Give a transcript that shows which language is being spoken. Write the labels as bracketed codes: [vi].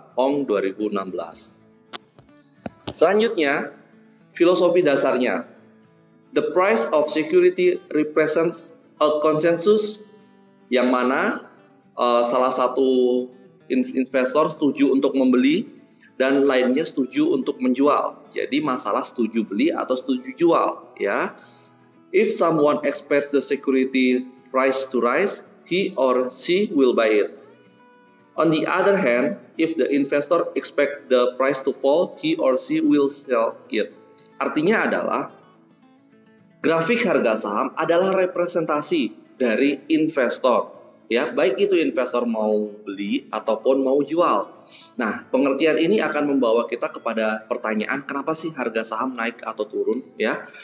[id] Ong 2016. Selanjutnya, filosofi dasarnya. [en] The price of security represents a consensus, [id] yang mana salah satu investor setuju untuk membeli dan lainnya setuju untuk menjual. Jadi masalah setuju beli atau setuju jual, ya. [en] If someone expect the security price to rise, he or she will buy it. On the other hand, if the investor expect the price to fall, he or she will sell it. [id] Artinya adalah grafik harga saham adalah representasi dari investor. ya, baik itu investor mau beli ataupun mau jual. Nah, pengertian ini akan membawa kita kepada pertanyaan, kenapa sih harga saham naik atau turun, ya?